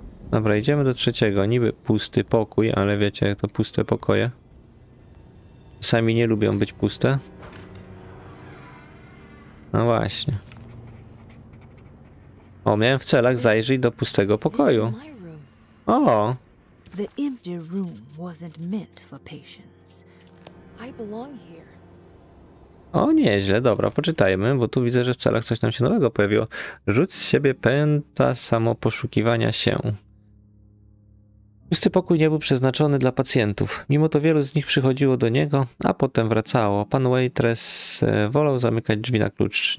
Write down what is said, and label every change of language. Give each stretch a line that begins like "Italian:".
Polish: Dobra, idziemy do trzeciego. Niby pusty pokój, ale wiecie jak to puste pokoje. Sami nie lubią być puste. No właśnie. O, miałem w celach zajrzeć do pustego pokoju. O!
English: The empty room wasn't meant for patience. I belong here.
Polish: O, nieźle, dobra, poczytajmy, bo tu widzę, że w celach coś nam się nowego pojawiło. Rzuć z siebie pęta samoposzukiwania się. Pusty pokój nie był przeznaczony dla pacjentów. Mimo to wielu z nich przychodziło do niego, a potem wracało. Pan Waitress wolał zamykać drzwi na klucz.